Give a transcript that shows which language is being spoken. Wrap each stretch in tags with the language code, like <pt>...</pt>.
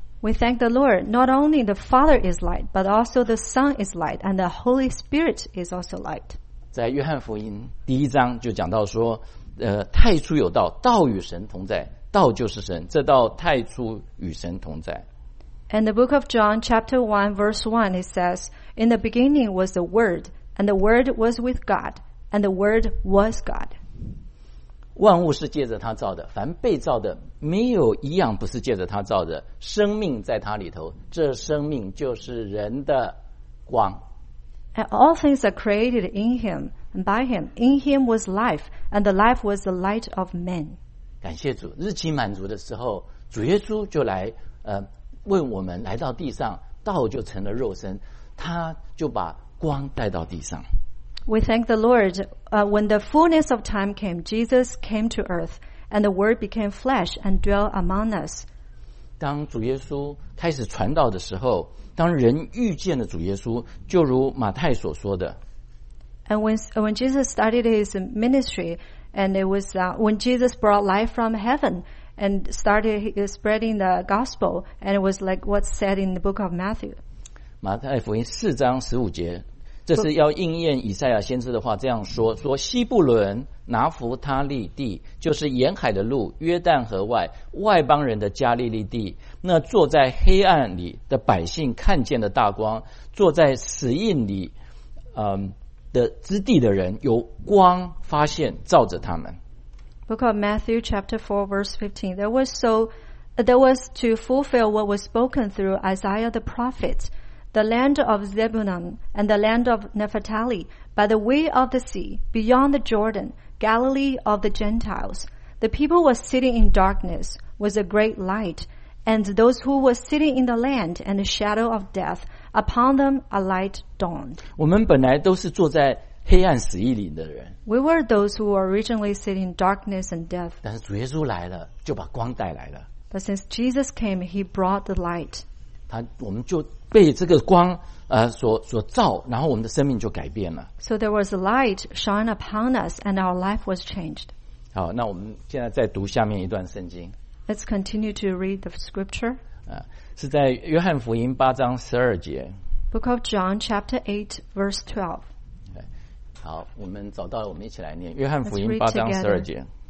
<en>We thank the Lord, not only the Father is light, but also the Son is light, and the Holy Spirit is also light.</en> <zh>在约翰福音第一章就讲到说，太初有道，道与神同在，道就是神，这道太初与神同在。</zh> <en>And the book of John, chapter 1, verse 1, it says, In the beginning was the Word, and the Word was with God, and the Word was God.</en> <zh>万物是借着他造的，凡被造的，没有一样不是借着他造的，生命在他里头，这生命就是人的光。</zh> <en>And all things are created in him, and by him, in him was life, and the life was the light of men.</en> <zh>感谢主，日期满足的时候，主耶稣就来，为我们来到地上，道就成了肉身，他就把光带到地上。</zh> <en>We thank the Lord, when the fullness of time came, Jesus came to earth, and the Word became flesh and dwelt among us.</en> <zh>当主耶稣开始传道的时候，当人遇见了主耶稣，就如马太所说的。</zh> <en>And when Jesus started his ministry, and it was when Jesus brought life from heaven. And started spreading the gospel, and it was like what's said in the book of Matthew.</en> <zh>马太福音四章十五节，这是要应验以赛亚先知的话，这样说：说西布伦、拿弗他利地，就是沿海的路，约旦河外外邦人的加利利地，那坐在黑暗里的百姓看见的大光，坐在死荫里，的之地的人，有光发现照着他们。</zh> <en>Book of Matthew chapter 4 verse 15 there was to fulfill what was spoken through Isaiah the prophet the land of Zebulun and the land of Naphtali by the way of the sea beyond the Jordan Galilee of the Gentiles the people were sitting in darkness with a great light and those who were sitting in the land and the shadow of death upon them a light dawned</en> <zh>我们本来都是坐在黑暗死荫里的人</zh> <en>We were those who were originally sitting in darkness and death</en> <zh>但是主耶稣来了就把光带来了</zh> <en>But since Jesus came he brought the light</en> <zh>他我们就被这个光所照然后我们的生命就改变了</zh> <en>So there was light shine upon us and our life was changed</en> <zh>好那我们现在再读下面一段圣经</zh> <en>Let's continue to read the scripture</en> <zh>是在约翰福音八章十二节</zh> <en>Book of John chapter 8 verse 12</en> <zh>好，我们找到，我们一起来念《约翰福音》八章十二节。</zh>